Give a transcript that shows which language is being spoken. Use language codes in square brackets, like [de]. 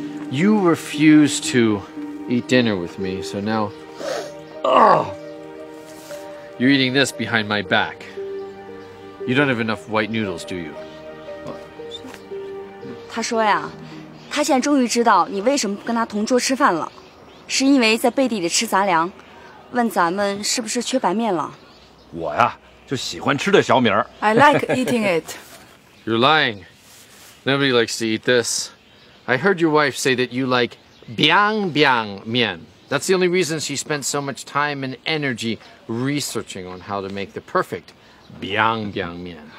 [en] You refuse to eat dinner with me, so now you're eating this behind my back. You don't have enough white noodles, do you? [zh] 他说呀，他现在终于知道你为什么不跟他同桌吃饭了，是因为在背地里吃杂粮，问咱们是不是缺白面了。我呀，就喜欢吃这小米儿。 [en] I like eating it. You're lying. Nobody likes to eat this. I heard your wife say that you like biang biang 面. That's the only reason she spent so much time and energy researching on how to make the perfect biang biang 面.